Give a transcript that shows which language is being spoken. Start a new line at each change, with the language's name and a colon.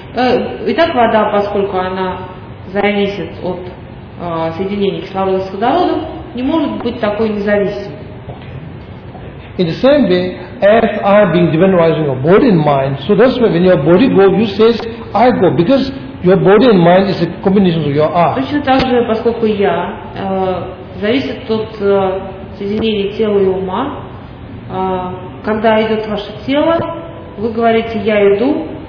Russian: Итак, вода, поскольку она зависит от соединения кислорода с водородом, не может быть такой независимой.
English: In the same way, as I being dependent on rising of body and mind, so that's why when your body goes, you say, I go, because your body and mind is a combination of your I.
Russian: Точно так же, поскольку я зависит от соединения тела и ума, когда идет ваше тело, вы говорите, я иду.